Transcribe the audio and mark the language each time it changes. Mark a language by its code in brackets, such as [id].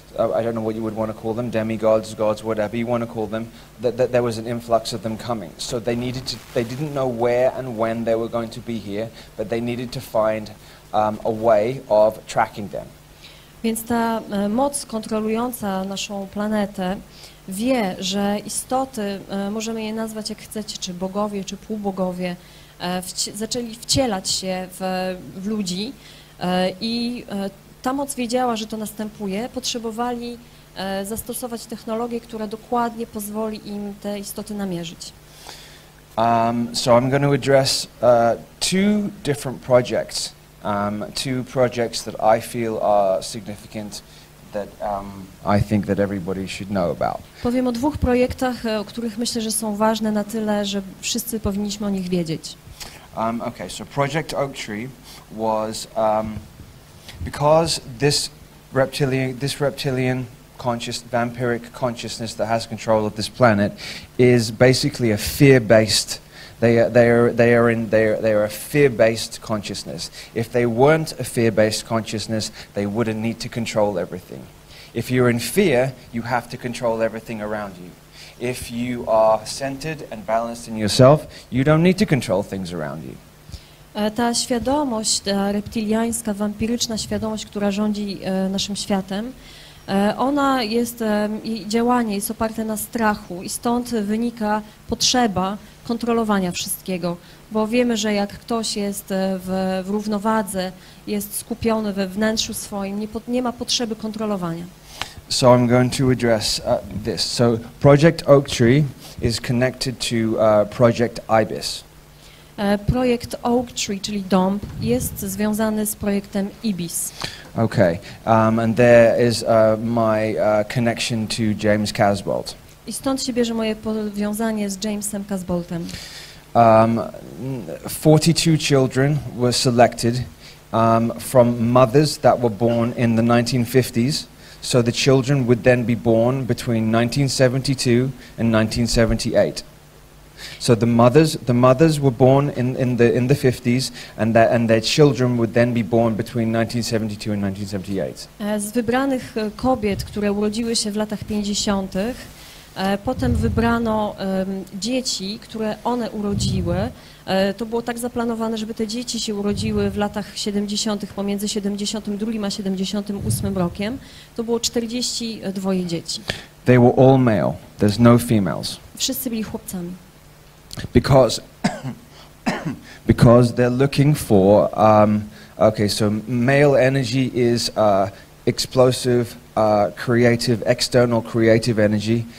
[en] I don't know what you would want to call them, demigods, gods, whatever you want to call them, that there was an influx of them coming. So they needed to, they didn't know where and when they were going to be here, but they needed to find a way of tracking them. [pl] Więc ta moc kontrolująca naszą planetę wie, że istoty, możemy je nazwać jak chcecie, czy bogowie, czy półbogowie, zaczęli wcielać się w ludzi i ta moc wiedziała, że to następuje, potrzebowali zastosować technologię, która dokładnie pozwoli im te istoty namierzyć. [en] So I'm going to address two different projects, two projects that I feel are significant, that I think that everybody should know about. [pl] Powiem o dwóch projektach, o których myślę, że są ważne na tyle, że wszyscy powinniśmy o nich wiedzieć. [en] Okay, so Project Oak Tree was because this reptilian conscious vampiric consciousness that has control of this planet is basically a fear-based They are a fear-based consciousness. If they weren't a fear-based consciousness, they wouldn't need to control everything. If you're in fear, you have to control everything around you. If you are centered and balanced in yourself, you don't need to control things around you. [pl] Ta świadomość, ta reptiliańska, wampiryczna świadomość, która rządzi naszym światem, ona jest, jej działanie jest oparte na strachu i stąd wynika potrzeba kontrolowania wszystkiego, bo wiemy, że jak ktoś jest w równowadze, jest skupiony we wnętrzu swoim, nie ma potrzeby kontrolowania. [en] So I'm going to address this. So Project Oak Tree is connected to Project Ibis. [pl] Projekt Oak Tree, czyli dąb, jest związany z projektem Ibis. [en] Okay, and there is my connection to James Casbolt. [pl] I stąd się bierze moje powiązanie z Jamesem Casboltem. [en] 42 children were selected from mothers that were born in the 1950s. So the children would then be born between 1972 and 1978. So the mothers were born in the 50s and their children would then be born between 1972 and 1978. [pl] Z wybranych kobiet, które urodziły się w latach 50., potem wybrano dzieci, które one urodziły. To było tak zaplanowane, żeby te dzieci się urodziły w latach 70. pomiędzy 72 a 78 rokiem. To było 42 dzieci. [en] They were all male. There's no females. [pl] Wszyscy byli chłopcami. [en] Because they're looking for so male energy is explosive, creative, external creative energy.